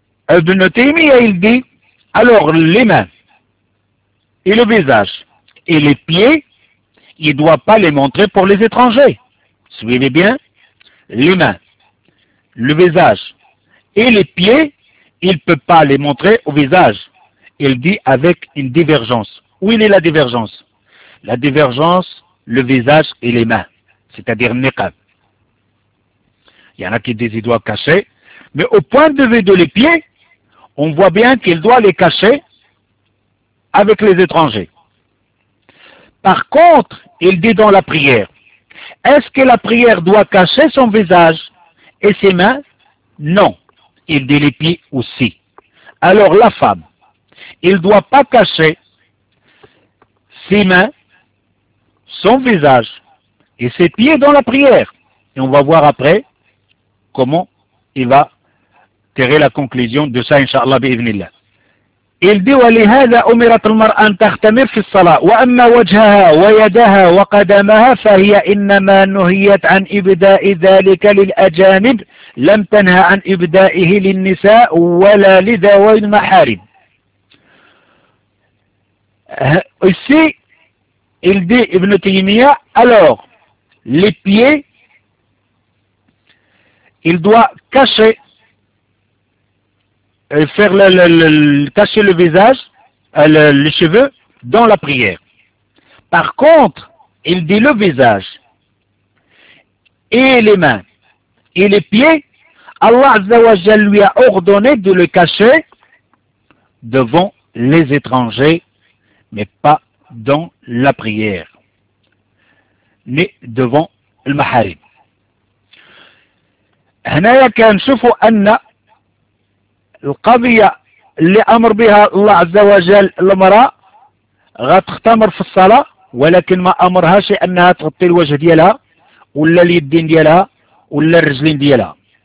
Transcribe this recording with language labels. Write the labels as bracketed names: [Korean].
[French] ابن تيمية يلدي alors les mains et le visage et les pieds il doit pas les montrer pour les étrangers suivez bien les mains le visage et les pieds il peut pas les montrer au visage Il dit avec une divergence. Où est la divergence? La divergence, le visage et les mains, c'est-à-dire niqab. Il y en a qui disent qu'il doit cacher, mais au point de vue de les pieds, on voit bien qu'il doit les cacher avec les étrangers. Par contre, il dit dans la prière, est-ce que la prière doit cacher son visage et ses mains? Non, il dit les pieds aussi. Alors la femme, il ne doit pas cacher ses mains, son visage et ses pieds dans la prière. Et on va voir après comment il va tirer la conclusion de ça, Inch'Allah, bi'ibnillah. Il dit, [Arabic] ولهذا أمرت المرأة أن تختمر في الصلاة وأما وجهها ويدها وقدمها فهي إنما نهيت عن إبداء ذلك للأجانب لم تنهى عن إبدائه للنساء ولا لذوي المحارم. [French] Ici, il dit Ibn Taymiyyah, alors, les pieds, il doit cacher. Faire cacher le visage, les cheveux, dans la prière. Par contre, il dit le visage, et les mains, et les pieds, Allah Azza wa Jal lui a ordonné de le cacher devant les étrangers, mais pas dans la prière, mais devant le maharim. [Arabic] Hanaya kan shufu anna القضية اللي أمر بها الله عز وجل المرأة غتختمر في الصلاة ولكن ما أمرهاش أنها تغطي الوجه ديالها ولا اليدين ديالها ولا الرجلين ديالها.